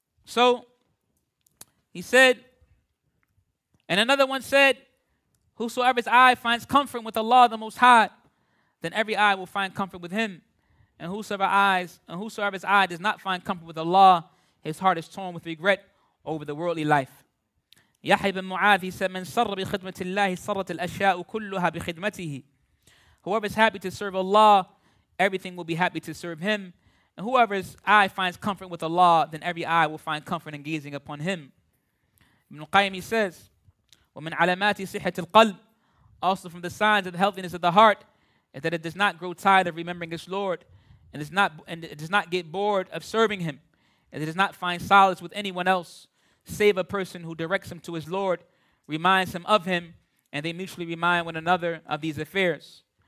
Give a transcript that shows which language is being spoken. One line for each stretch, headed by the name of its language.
English: So he said, and another one said, whosoever's eye finds comfort with Allah the Most High, then every eye will find comfort with him. And whosoever's eye does not find comfort with Allah, his heart is torn with regret over the worldly life. Yahya ibn Mu'adh, he said,
Arabic: من سر بخدمة الله سرت الأشياء كلها بخدمته.
English: Whoever is happy to serve Allah, everything will be happy to serve him. And whoever's eye finds comfort with Allah, then every eye will find comfort in gazing upon him. Ibn Qayyim, he says,
Arabic: ومن علامات صحة القلب,
English: also from the signs of the healthiness of the heart, is that it does not grow tired of remembering its Lord, and it does not get bored of serving him, and it does not find solace with anyone else, save a person who directs him to his Lord, reminds him of him, and they mutually remind one another of these affairs.